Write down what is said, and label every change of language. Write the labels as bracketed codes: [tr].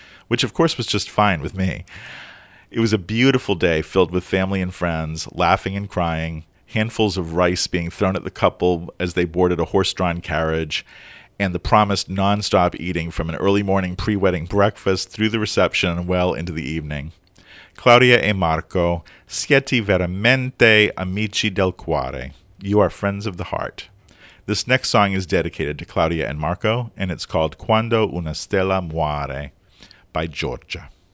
[en] Which, of course, was just fine with me. It was a beautiful day filled with family and friends, laughing and crying, handfuls of rice being thrown at the couple as they boarded a horse-drawn carriage, and the promised nonstop eating from an early morning pre-wedding breakfast through the reception and well into the evening. [it] Claudia e Marco, siete veramente amici del cuore. [en] You are friends of the heart. This next song is dedicated to Claudia and Marco, and it's called Quando una stella muore by Giorgia.